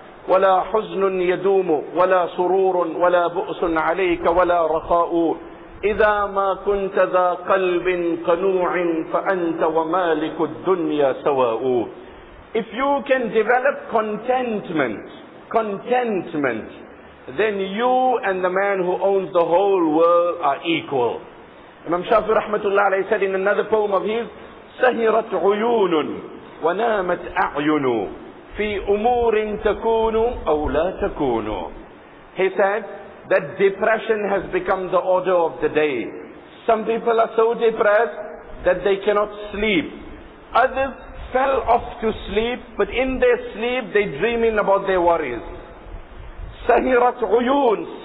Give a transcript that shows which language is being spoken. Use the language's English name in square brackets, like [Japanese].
[Arabic] وَلَا حُزْنٌ يَدُومُ وَلَا سُرُورٌ وَلَا بُؤْسٌ عَلَيْكَ وَلَا رَخَاءُ إِذَا مَا كُنْتَ ذَا قَلْبٍ قَنُوعٍ فَأَنْتَ وَمَالِكُ الدُّنْيَا سَوَاءُ [English] If you can develop contentment, then you and the man who owns the whole world are equal. Imam Shafi rahmatullah alayhi said in another poem of his, [Arabic] سَهِرَتْ عُيُونٌ وَنَامَتْ أَعْيُنُ فِي أُمُورٍ تَكُونُ أَوْ لَا تَكُونُ [English] He said that depression has become the order of the day. Some people are so depressed that they cannot sleep. Others fell off to sleep, but in their sleep they dreaming about their worries. [Arabic] سَهِرَتْ عُيُونٌ